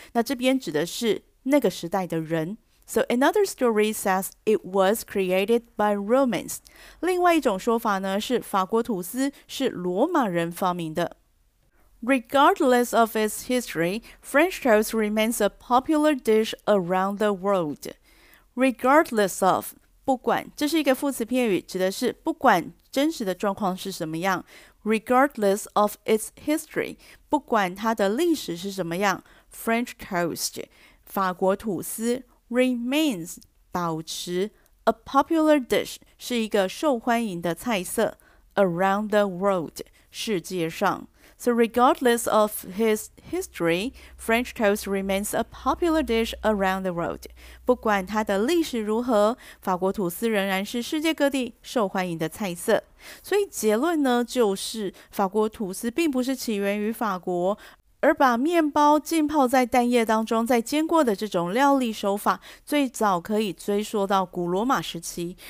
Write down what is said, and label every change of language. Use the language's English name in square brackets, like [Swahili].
[Chinese] 那这边指的是那个时代的人。 [English] So another story says it was created by Romans。 [Chinese] 另外一种说法呢，是法国吐司是罗马人发明的。 [English] Regardless of its history, French toast remains a popular dish around the world. Regardless of [Chinese] 不管，这是一个副词片语，指的是不管真实的状况是什么样。 [English] Regardless of its history， [Chinese] 不管它的历史是什么样， [English] French toast， [Chinese] 法国吐司，remains 保持 [English] a popular dish [Chinese] 是一个受欢迎的菜色， [English] around the world [Chinese] 世界上。 [English] So regardless of his history，French toast remains a popular dish around the world。 [Chinese] 不管它的历史如何，法国吐司仍然是世界各地受欢迎的菜色。所以结论呢，就是法国吐司并不是起源于法国，而把面包浸泡在蛋液当中再煎过的这种料理手法，最早可以追溯到古罗马时期。